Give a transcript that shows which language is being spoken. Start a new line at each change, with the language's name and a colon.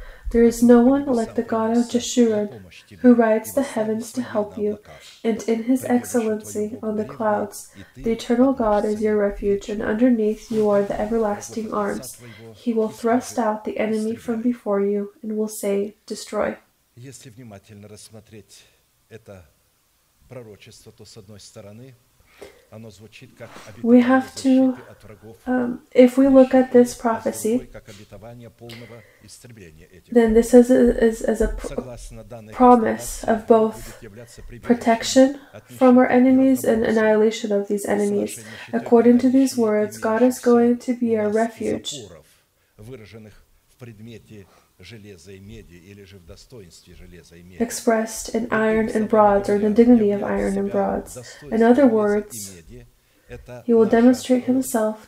English: There is no one like the God of Jeshurun, who rides the heavens to help you, and in his excellency on the clouds. The eternal God is your refuge, and underneath you are the everlasting arms. He will thrust out the enemy from before you, and will say, destroy.
Russian: Если внимательно рассмотреть это пророчество, то с одной стороны, оно звучит как обетование от врагов.
English: If we look at this prophecy,
Russian: как обетование полного истребления этих.
English: Then this is a promise of both protection from our enemies and annihilation of these enemies. According to these words, God is going to be our refuge.
Russian: Выраженных в предмете железа и меди или же в достоинстве железа и меди.
English: Expressed in iron and bronze, or in the dignity of iron and bronze. In other words, he will demonstrate himself.